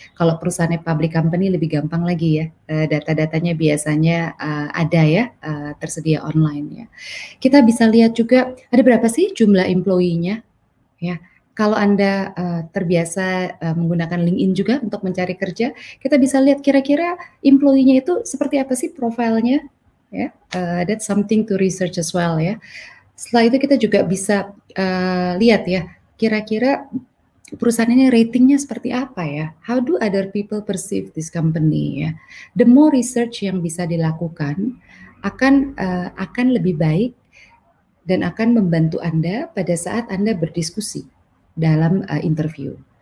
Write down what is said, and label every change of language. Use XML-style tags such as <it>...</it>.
<id>Kalau perusahaannya public company lebih gampang lagi ya, data-datanya biasanya ada ya, tersedia online ya. Kita bisa lihat juga ada berapa sih jumlah employee-nya ya. Kalau Anda terbiasa menggunakan LinkedIn juga untuk mencari kerja, kita bisa lihat kira-kira employee-nya itu seperti apa sih profilnya.</id> <en>Ya, that's something to research as well ya.</en> <id>Setelah itu kita juga bisa lihat ya, kira-kira perusahaan ini ratingnya seperti apa ya.</id> <en>How do other people perceive this company ya.</en> <id>The more research yang bisa dilakukan akan lebih baik dan akan membantu Anda pada saat Anda berdiskusi dalam interview.</id>